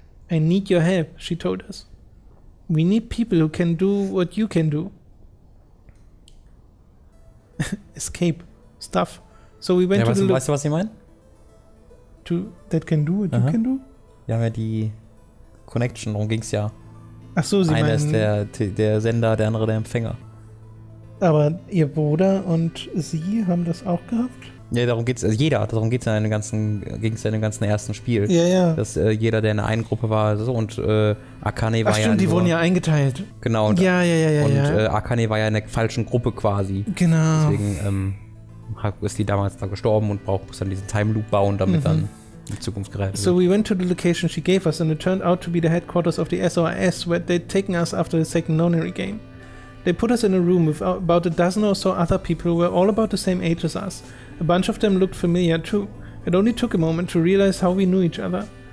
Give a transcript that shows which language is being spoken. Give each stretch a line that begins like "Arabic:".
English: I need your help, she told us. We need people who can do what you can do. Escape. Stuff. So we went to the...
German: Weißt du, was ich meine?
English: To that can do what you can do?
German: Ja, weil die Connection, darum ging's ja. Ach so, sie meinen... Einer ist der Sender, der andere der Empfänger. Aber ihr Bruder und sie haben das auch gehabt? Ja, darum geht's, also jeder, darum geht's in den ganzen, ging's ja in dem ganzen ersten Spiel. Ja, ja. Dass jeder, der in einer Gruppe war, so, und Akane war ja... Ach stimmt, ja die nur, wurden ja eingeteilt. Genau. Und, ja, ja, ja, ja. Und ja. Akane war ja in der falschen Gruppe quasi. Genau. Deswegen ist die damals da gestorben und muss dann diesen Time Loop bauen, damit dann in die Zukunft gerät.
English: So we went to the location she gave us and it turned out to be the headquarters of the SOIS where they'd taken us after the second non-area game. They put us in a room with about a dozen or so other people who were all about the same age as us. A bunch of them looked familiar too. It only took a moment to realize how we knew each other.